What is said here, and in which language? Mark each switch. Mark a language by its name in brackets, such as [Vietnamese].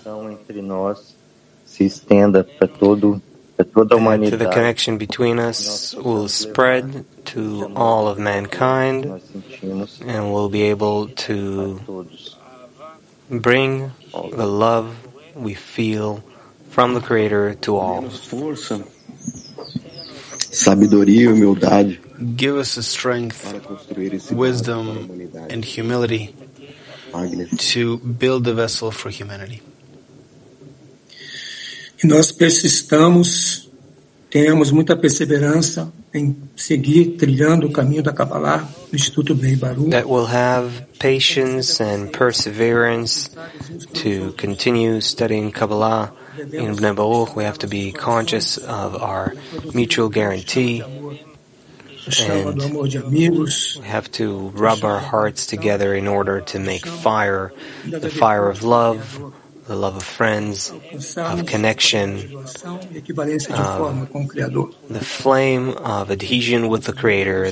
[English] And to the connection between us will spread to all of mankind, and we'll be able to bring the love we feel from the Creator to all. [Portuguese] Sabedoria e humildade. [English] Give us the strength, wisdom, and humility to build the vessel for humanity. [Portuguese] E nós persistamos, temos muita perseverança em seguir trilhando o caminho da Kabbalah no Instituto Bnei Baruch. [English] That will have patience and perseverance to continue studying Kabbalah in Nebuch, we have to be conscious of our mutual guarantee, and we have to rub our hearts together in order to make fire, the fire of love, the love of friends, of connection, the flame of adhesion with the Creator.